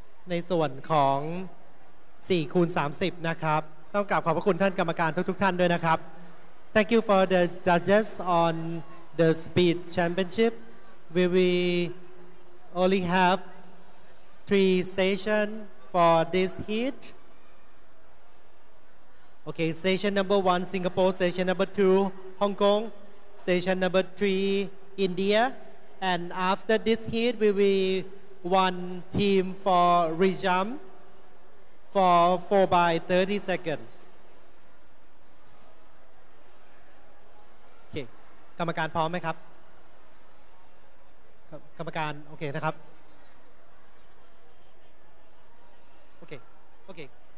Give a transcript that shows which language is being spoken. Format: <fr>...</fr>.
<th>ในส่วนของ4คูณ30นะครับต้องกราบขอบพระคุณท่านกรรมการทุกๆท่านด้วยนะครับ</th> <en>Thank you for the judges on the speed championship we only have 3 station for this heatOkay, station number one, Singapore. Station number two, Hong Kong. Station number three, India. And after this heat, we will one team for rejump for 4x30 seconds.</en> <th>Okay, กรรมการพร้อมไหมครับ กรรมการโอเคนะครับ Okay, okay.</th>